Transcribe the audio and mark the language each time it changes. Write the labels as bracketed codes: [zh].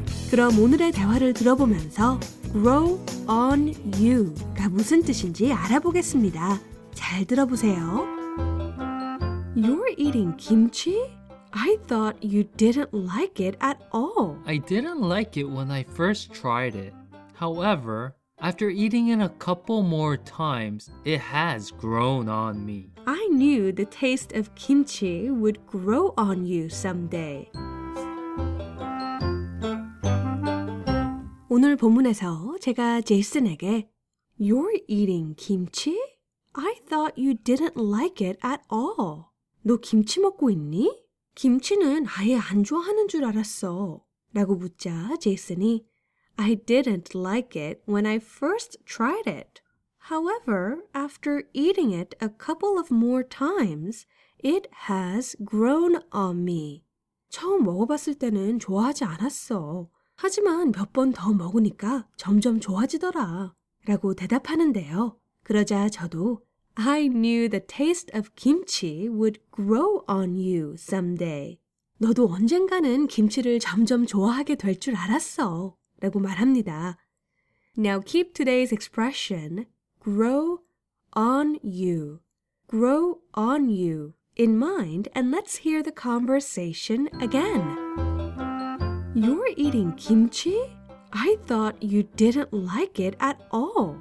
[ko] 그럼 오늘의 대화를 들어보면서 grow on you가 무슨 뜻인지 알아보겠습니다. 잘 들어보세요. [en] You're eating kimchi? I thought you didn't like it at all. I didn't like it when I first tried it. However, after eating it a couple more times, it has grown on me. I knew the taste of kimchi would grow on you someday. [ko] 오늘 본문에서 제가 제이슨에게 [en] You're eating kimchi? I thought you didn't like it at all. [ko] 너 김치 먹고 있니? 김치는 아예 안 좋아하는 줄 알았어. 라고 묻자 제이슨이 [en] I didn't like it when I first tried it. However, after eating it a couple of more times, it has grown on me. [ko] 처음 먹어봤을 때는 좋아하지 않았어. 하지만 몇 번 더 먹으니까 점점 좋아지더라. 라고 대답하는데요. 그러자 저도 [en] I knew the taste of kimchi would grow on you someday. [ko] 너도 언젠가는 김치를 점점 좋아하게 될 줄 알았어. 라고 말합니다. [en] Now keep today's expression, grow on you. Grow on you in mind and let's hear the conversation again. You're eating kimchi? I thought you didn't like it at all.